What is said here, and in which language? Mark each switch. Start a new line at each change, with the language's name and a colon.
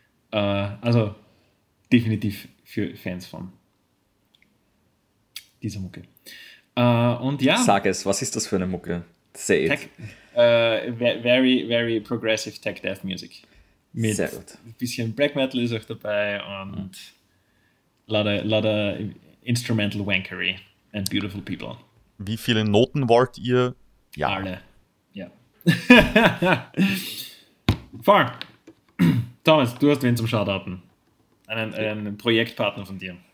German: Also definitiv für Fans von dieser Mucke. Und ja. Sag es, was ist das für eine Mucke?
English: Say it. Very, very progressive tech death music.
German: Mit sehr gut. Ein bisschen Black Metal ist auch dabei und lauter
English: Instrumental Wankery and Beautiful People.
German: Wie viele Noten wollt ihr? Ja. Alle. Ja.
English: Far.
German: Thomas, du hast wen zum Shoutouten? Einen Projektpartner von dir.